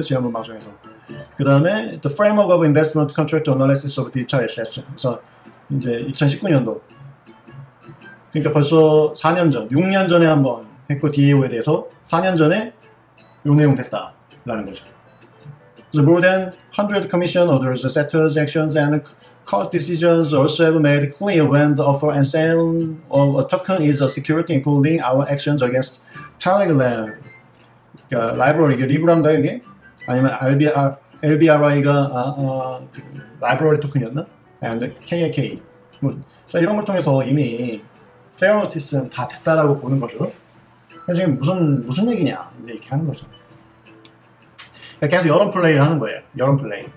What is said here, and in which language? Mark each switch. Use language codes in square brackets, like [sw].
[ko] 지난번 방송에서. 그 다음에 [en] The Framework of Investment Contract Analysis of Digital Assets. [ko] 그래서 이제 2019년도. 그러니까 벌써 4년 전, 6년 전에 한번 했고, DAO에 대해서 4년 전에 요 내용 됐다라는 거죠. [en] The more than 100 commission orders, settlers, actions, and court decisions also have made clear when the offer and sale of a token is a security, including our actions against Telegram. [ko] 그러니까 라이브러리, 이게 리브라인가요, 이게? 아니면 LBRI가 라이브러리 토큰이었나? [en] And KAK. [ko] 뭐, 이런 걸 통해서 이미 fair notice는 다 됐다라고 보는 거죠. 그래서 지금 무슨 얘기냐? 이제 이렇게 하는 거죠. 계속 여론 플레이를 하는 거예요. 여론 플레이.